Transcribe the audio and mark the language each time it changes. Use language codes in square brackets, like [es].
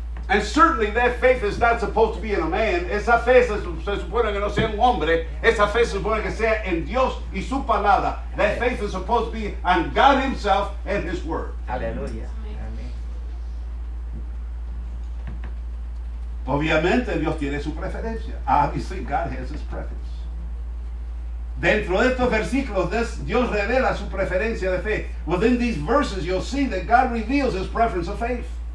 [en] And certainly that faith is not supposed to be in a man. [es] Esa fe se supone que no sea en un hombre. Esa fe se supone que sea en Dios y su palabra. [en] That faith is supposed to be on God himself and his word. Hallelujah. [es] Obviamente Dios tiene su preferencia. [en] Obviously God has his preference. [es] Dentro de estos versículos, Dios revela su preferencia de fe. [en] Within these verses, you'll see that God reveals his preference of faith.